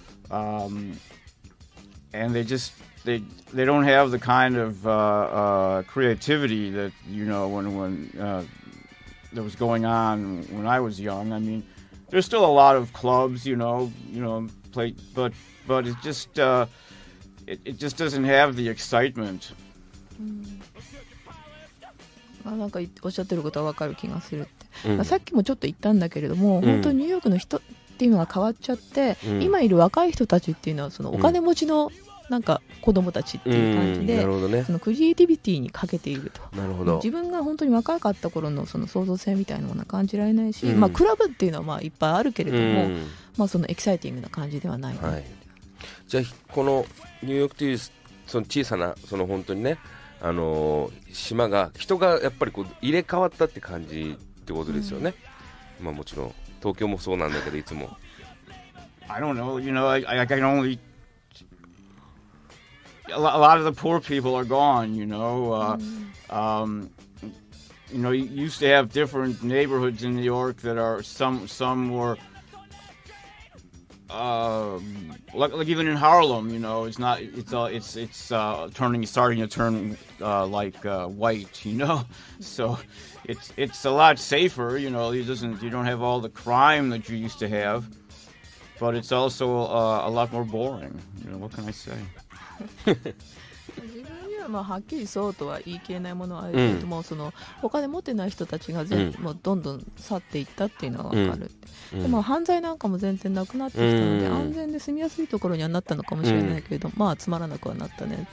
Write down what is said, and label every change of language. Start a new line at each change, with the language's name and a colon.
English: and they don't have the kind of creativity that, you know, when that was going on when I was young. I mean, there's still a lot of clubs, you know, play, but it just doesn't have the excitement.
Japanese: なんかおっしゃってることは分かる気がするって、さっきもちょっと言ったんだけれども、本当にニューヨークの人っていうのが変わっちゃって、今いる若い人たちっていうのはそのお金持ちのなんか子供たちっていう感じで、なるほどね、そのクリエイティビティに欠けていると。なるほど。自分が本当に若かった頃のその創造性みたいなものは感じられないし、クラブっていうのはまあいっぱいあるけれども、そのエキサイティングな感じではない、はい、じゃあこのニューヨークというその小さなその本当にね島が人がやっぱりこう入れ替わったって感じってことですよね、うん、まあもちろん東京もそうなんだけどいつも
English: I don't know, you know, I can only a lot of the poor people are gone, you know、you know, you used to have different neighborhoods in New York that are some were、like even in Harlem, you know, it's not, it's starting to turn white, you know, so it's a lot safer, you know, it doesn't, you don't have all the crime that you used to have, but it's also、a lot more boring, you know, what can I say?
Japanese: まあ、はっきりそうとは言い切れないものはあるけども、うん、その他で持ってない人たちが全、うん、もうどんどん去っていったっていうのは分かる、うん、でも犯罪なんかも全然なくなってきたので、うん、安全で住みやすいところにはなったのかもしれないけれど、うん、まあつまらなくはなったね、